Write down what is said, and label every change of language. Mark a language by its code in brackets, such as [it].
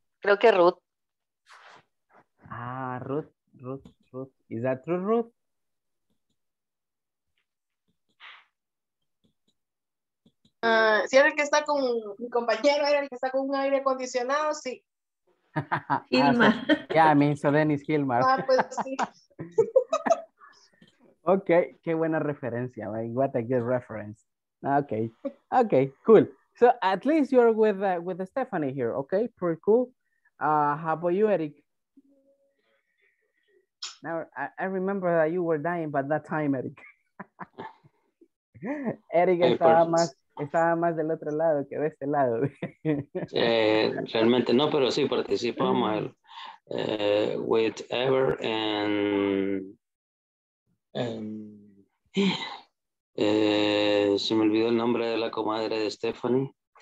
[es] Creo que Ruth. [en] Ah, Ruth. Is that true, Ruth? [es] Si era el que está con mi compañero, era el que está con un aire acondicionado, sí. Gilmar. [en] Ah, so, yeah, I mean, so then it's Gilmar. [es] Ah, pues sí. [en] Okay, [es] qué buena referencia, [en] right? What a good reference. Okay, cool. So at least you're with Stephanie here, okay? Pretty cool. How about you, Eric? Now, I remember that you were dying by that time, Eric. [es] Eric estaba más del otro lado que de este lado. realmente no, pero sí participamos [en] with Ever and... [es] se me olvidó el nombre de la comadre de Stephanie.